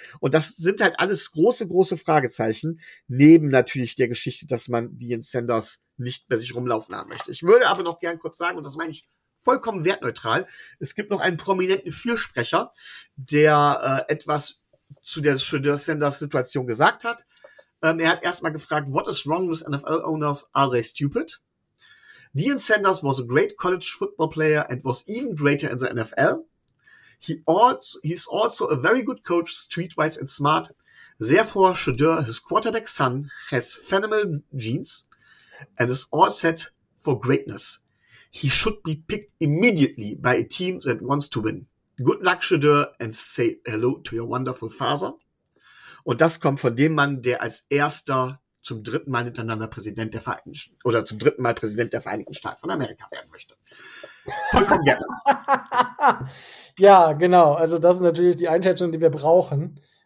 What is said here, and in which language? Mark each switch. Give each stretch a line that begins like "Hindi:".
German: Und das sind halt alles große, große Fragezeichen. Neben natürlich der Geschichte, dass man Deion Sanders nicht bei sich rumlaufen haben möchte. Ich würde aber noch gern kurz sagen, und das meine ich vollkommen wertneutral, es gibt noch einen prominenten Fürsprecher, der etwas zu der Shedeur Sanders Situation gesagt hat. Er hat erstmal gefragt,
English: what is wrong with NFL owners? Are they stupid? Deion Sanders was a great college football player and was even greater in the NFL. He's also a very good coach, streetwise and smart. Therefore, Shedeur, his quarterback son, has phenomenal genes and is all set for greatness. He should be picked immediately by a team that wants to win. Good luck, Shedeur, and say hello to your wonderful father.
German: Und das kommt von dem Mann, der als erster zum dritten Mal hintereinander Präsident der Vereinigten Staaten von Amerika werden möchte. Vollkommen gerne. Ja, genau. Also das ist natürlich die Einschätzung, die wir brauchen.